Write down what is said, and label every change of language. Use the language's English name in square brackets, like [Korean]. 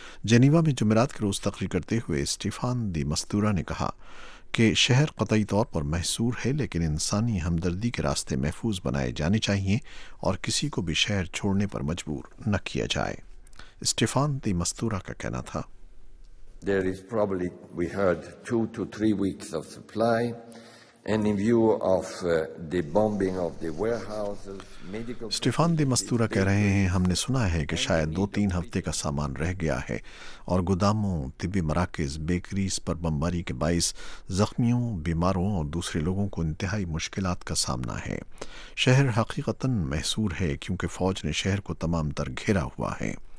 [Urdu] Geneva میں جمعرات کے روز تقریر کرتے ہوئے اسٹیفان دی مستورا نے کہا کہ شہر قطعی طور پر محصور ہے، لیکن انسانی ہمدردی کے راستے محفوظ بنائے جانے چاہیے اور کسی کو بھی شہر چھوڑنے پر مجبور نہ کیا جائے. اسٹیفان دی مستورا کا کہنا تھا، [English] There is probably we heard 2 to 3 weeks of supply and in view of the bombing of the warehouses. [Urdu] اسٹیفان دی مستورا کہہ رہے ہیں، ہم نے سنا ہے کہ شاید 2-3 ہفتے کا سامان رہ گیا ہے اور گوداموں، طبی مراکز، بیکریز پر بمباری کے باعث زخمیوں، بیماروں اور دوسرے لوگوں کو انتہائی مشکلات کا سامنا ہے. شہر حقیقتاً محصور ہے کیونکہ فوج نے شہر کو تمام تر گھیرا ہوا ہے.